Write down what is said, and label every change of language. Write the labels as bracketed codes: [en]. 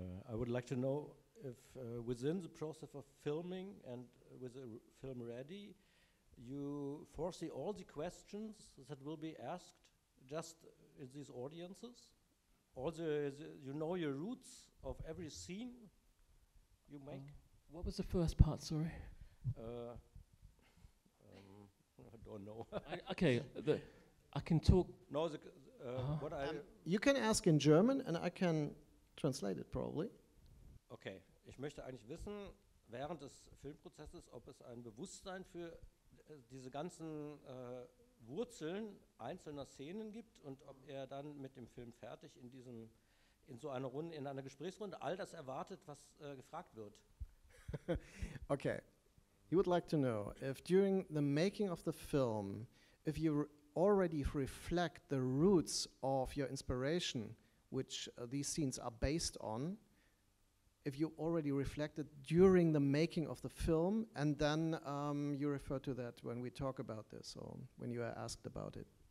[en] I would like to know if within the process of filming and with the film ready, you foresee all the questions that will be asked just in these audiences, all the you know your roots of every scene you make. What was the first part? Sorry. I don't know. I can talk. No, what I you can ask in German, and I can translate it probably. [de] Okay, ich möchte eigentlich wissen während des Filmprozesses, ob es ein Bewusstsein für diese ganzen Wurzeln einzelner Szenen gibt und ob er dann mit dem Film fertig in einer Gesprächsrunde all das erwartet, was gefragt wird. [en] Okay. You would like to know if during the making of the film, if you already reflect the roots of your inspiration, which these scenes are based on, if you already reflected during the making of the film, and then you refer to that when we talk about this or when you are asked about it.